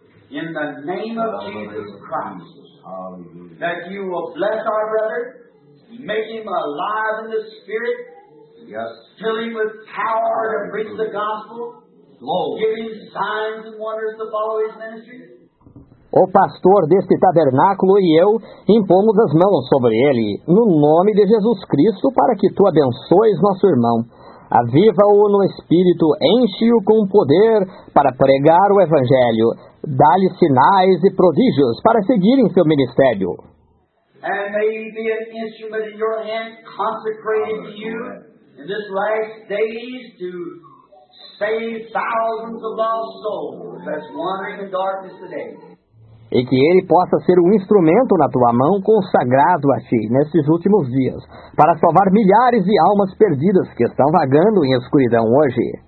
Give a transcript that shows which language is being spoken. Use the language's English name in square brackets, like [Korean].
[English] In the name of Jesus Christ, that you will bless our brother, make him alive in the Spirit, fill him with power to preach the gospel, give him signs and wonders to follow his ministry. [Portuguese] O pastor deste tabernáculo e eu impomos as mãos sobre ele, no nome de Jesus Cristo, para que tu abençoes nosso irmão. Aviva-o no Espírito, enche-o com poder para pregar o Evangelho. Dá-lhe sinais e prodígios para seguir em seu ministério. [English] And may he be an instrument in your hand consecrated to you in this last days to save thousands of lost souls that's wandering in darkness today. [Portuguese] E que ele possa ser um instrumento na tua mão consagrado a ti nesses últimos dias, para salvar milhares de almas perdidas que estão vagando em escuridão hoje.